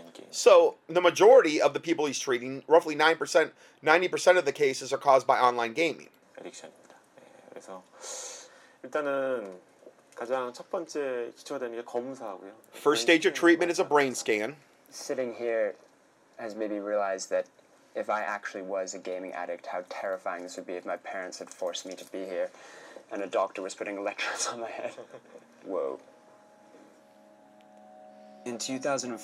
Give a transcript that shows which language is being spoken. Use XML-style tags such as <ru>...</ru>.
<en>So the majority of the people he's treating, roughly 9%, 90% of the cases are caused by online gaming. Addiction입니다.</en> <ko>그래서 일단은 가장 첫 번째 기초가 되는 게 검사고요.</ko> <en>First stage of treatment is a brain scan. Sitting here has made me realize that if I actually was a gaming addict, how terrifying this would be if my parents had forced me to be here and a doctor was putting electrodes on my head. Whoa. In 2005,</en>